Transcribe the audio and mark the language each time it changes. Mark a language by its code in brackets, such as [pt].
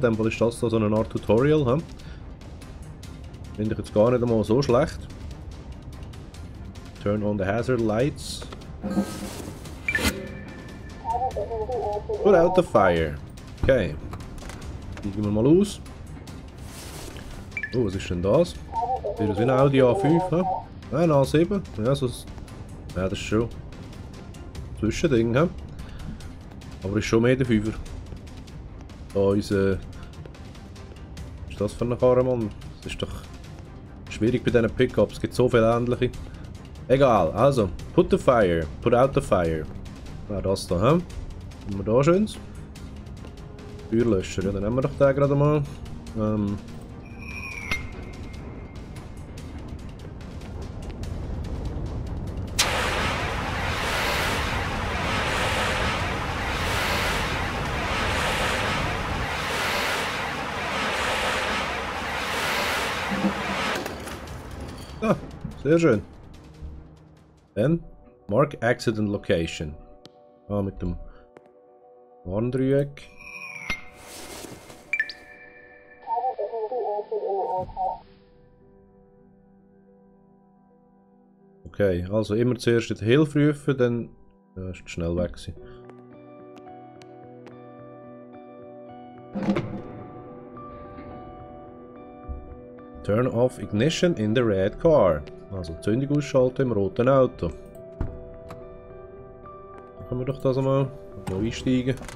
[de] Dann ist das da so eine Art Tutorial, hä? Finde ich jetzt gar nicht einmal so schlecht. [en] Turn on the hazard lights. Put out the fire. [de] Okay. Gehen wir mal aus. Oh, was ist denn das? Ist das wie ein Audi A5, hä? Nein, A7. Ja, so. Ja, das ist schon. Zwischending, hä? Aber ist schon mehr der Fünfer. Da unser. Was ist das für eine Karre, Mann? Das ist doch. Schwierig bei diesen Pickups, es gibt so viele ähnliche. Egal, also, [en] put out the fire. [de] Ja, das da, hä? Haben wir da schönes? Feuerlöscher, ja, dann nehmen wir doch den gerade mal. Sehr schön. Dann [en] mark accident location. [de] Ah, mit dem Warndreieck. Okay, also immer zuerst die Hilfe rufen, dann ist schnell weg gewesen. [en] Turn off ignition in the red car. [de] Also Zündung ausschalten im roten Auto. Machen wir doch das einmal. Mal einsteigen.